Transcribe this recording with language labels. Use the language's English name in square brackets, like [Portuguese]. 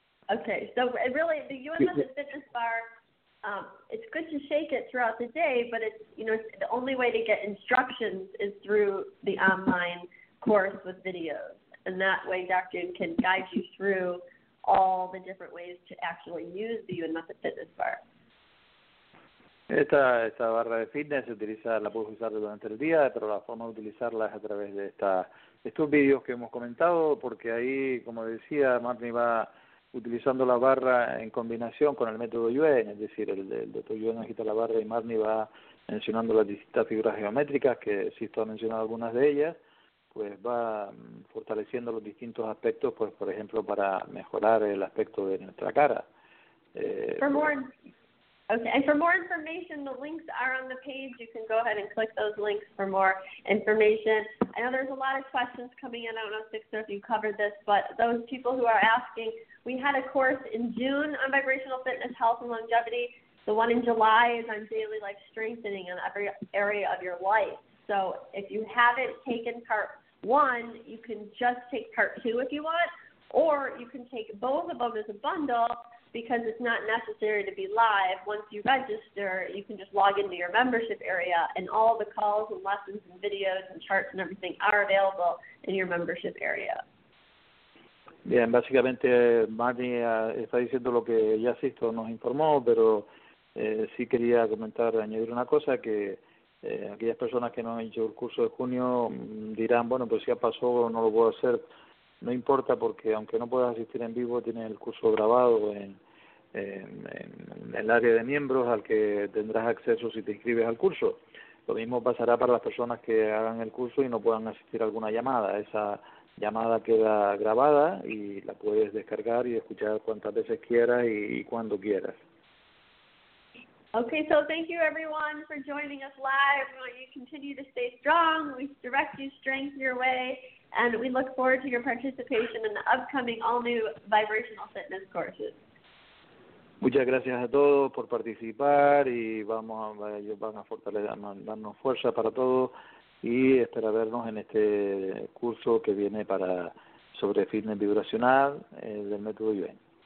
[English] Okay, so really the UMS fitness bar, it's good to shake it throughout the day, but it's, you know, the only way to get instructions is through the online course with videos, and that way Dr. Yun can guide you through all the different ways to actually use the UMS fitness bar. [Spanish] Esta barra de fitness se utiliza, la puedes usar durante el día, pero la forma de utilizarla es a través de estos vídeos que hemos comentado, porque ahí, como decía, Marnie va utilizando la barra en combinación con el método Yuen, es decir, el doctor Yuen agita la barra y Marnie va mencionando las distintas figuras geométricas, que si esto ha mencionado algunas de ellas, pues va fortaleciendo los distintos aspectos, pues por ejemplo, para mejorar el aspecto de nuestra cara. [English] Okay, and for more information, the links are on the page. You can go ahead and click those links for more information. I know there's a lot of questions coming in. I don't know, Sixer, if you covered this, but those people who are asking, we had a course in June on vibrational fitness, health, and longevity. The one in July is on daily life strengthening in every area of your life. So if you haven't taken part one, you can just take part two if you want, or you can take both of them as a bundle, because it's not necessary to be live. Once you register, you can just log into your membership area, and all the calls and lessons and videos and charts and everything are available in your membership area. [Spanish] Bien, básicamente Marnie está diciendo lo que ya Sisto nos informó, pero sí quería comentar, añadir una cosa, que aquellas personas que no han hecho el curso de junio dirán, bueno, pues ya pasó, no lo puedo hacer. No importa, porque aunque no puedas asistir en vivo, tienes el curso grabado en el área de miembros al que tendrás acceso si te inscribes al curso. Lo mismo pasará para las personas que hagan el curso y no puedan asistir a alguna llamada. Esa llamada queda grabada y la puedes descargar y escuchar cuantas veces quieras y cuando quieras. [English] Okay, so thank you everyone for joining us live. We want you to continue to stay strong. We direct you strength your way, and we look forward to your participation in the upcoming all-new vibrational fitness courses. [Spanish] Muchas gracias a todos por participar y van a fortalecernos, fuerza para todos, y espera vernos en este curso que viene para sobre fitness vibracional del método Yuen.